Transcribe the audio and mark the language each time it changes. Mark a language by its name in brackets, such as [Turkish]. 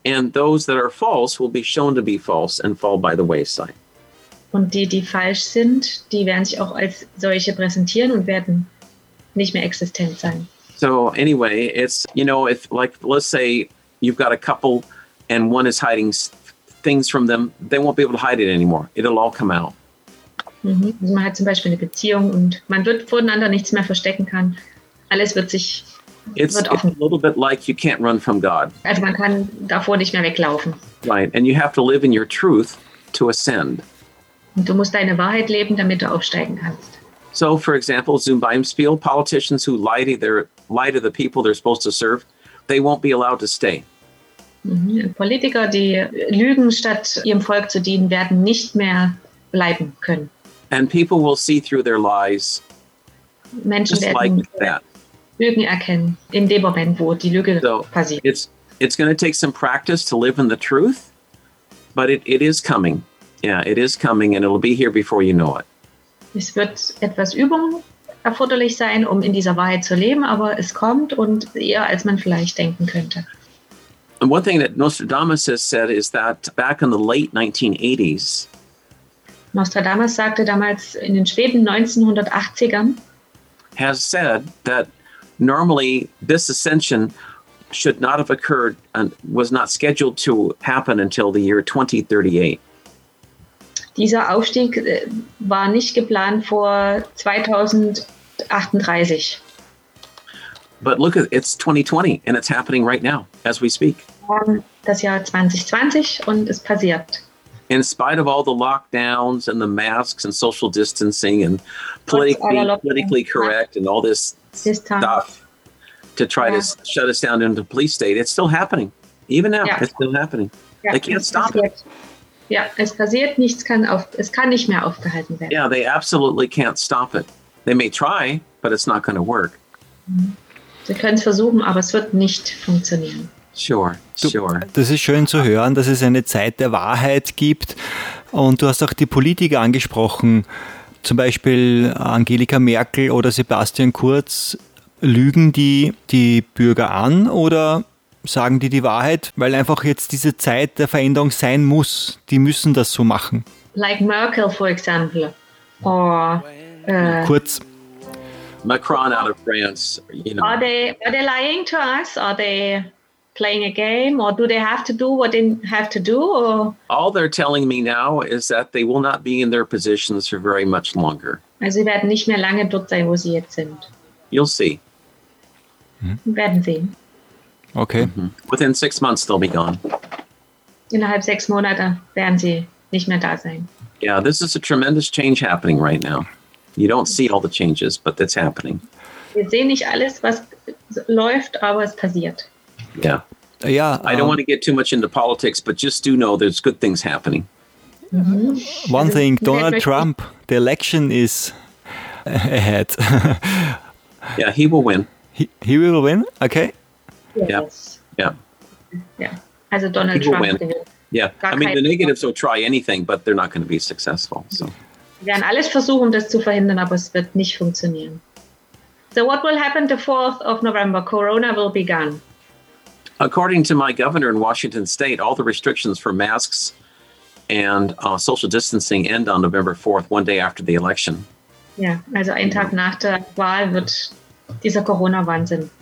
[English] And those that are false will be shown to be false and fall by the wayside. [German] Und die falsch sind, die werden sich auch als solche präsentieren und werden nicht mehr existent sein. [English] So anyway, it's, you know, if like, let's say you've got a couple and one is hiding things from them, they won't be able to hide it anymore. It'll all come out. [German] Also man hat zum Beispiel eine Beziehung und man wird voneinander nichts mehr verstecken können. Alles wird sich offen. [English] It's a little bit like you can't run from God. [German] Also man kann davor nicht mehr weglaufen. [English] Right, and you have to live in your truth to ascend. [German] Und du musst deine Wahrheit leben, damit du aufsteigen kannst. [English] So, for example, [German] Zum Beispiel, [English] politicians who lie to the people they're supposed to serve, they won't be allowed to stay. [German] Politiker, die lügen, statt ihrem Volk zu dienen, werden nicht mehr bleiben können. [English] And people will see through their lies. [German] Menschen [English] just like that. [German] Lügen erkennen in dem Moment, wo die Lüge so passiert. [English] It's going to take some practice to live in the truth, but it is coming. Yeah, it is coming, and it'll be here before you know it. [German] Es wird etwas Übung erforderlich sein, um in dieser Wahrheit zu leben, aber es kommt und eher, als man vielleicht denken könnte. [English] And one thing that Nostradamus has said is that back in the late 1980s, [German] Nostradamus sagte damals in den späten 1980ern, [English] has said that normally this ascension should not have occurred and was not scheduled to happen until the year 2038. [German] Dieser Aufstieg war nicht geplant vor 2038. [English] But look, it's 2020 and it's happening right now as we speak. [German] Das Jahr 2020 und es passiert. [English] In spite of all the lockdowns and the masks and social distancing and politically correct and all this stuff to try to shut us down into police state, it's still happening. Even now, it's still happening. They can't stop it. [German] Ja, es passiert, nichts kann auf, es kann nicht mehr aufgehalten werden. [English] Yeah, they absolutely can't stop it. They may try, but it's not going to work. [German] Sie können es versuchen, aber es wird nicht funktionieren. [English] Sure. [German] Das ist schön zu hören, dass es eine Zeit der Wahrheit gibt. Und du hast auch die Politiker angesprochen, zum Beispiel Angela Merkel oder Sebastian Kurz. Lügen die Bürger an oder sagen die Wahrheit, weil einfach jetzt diese Zeit der Veränderung sein muss? Die müssen das so machen. [English] Like Merkel, for example. Or, Kurz. Macron out of France. You know. Are they lying to us? Are they playing a game? Or do they have to do what they have to do? Or? All they're telling me now is that they will not be in their positions for very much longer. [German] Also sie werden nicht mehr lange dort sein, wo sie jetzt sind. [English] You'll see. [German] Werden sehen. [English] Okay. Mm-hmm. Within 6 months, they'll be gone. [German] Innerhalb 6 Monate werden sie nicht mehr da sein. [English] Yeah, this is a tremendous change happening right now. You don't see all the changes, but it's happening. [German] Wir sehen nicht alles, was läuft, aber es passiert. [English] Yeah. Yeah. I don't want to get too much into politics, but just do know there's good things happening. Mm-hmm. One thing, Donald Trump, the election is ahead. Yeah, he will win. He will win? Okay. Yeah. As a Donald Trump. Win. Yeah. I mean, the negatives will try anything, but they're not going to be successful. So. [German] Wir werden alles versuchen, das zu verhindern, aber es wird nicht funktionieren. [English] So what will happen the 4th of November? Corona will be gone. According to my governor in Washington State, all the restrictions for masks and social distancing end on November 4th, one day after the election. [German] Yeah, also ein Tag nach der Wahl wird dieser Corona-Wahnsinn.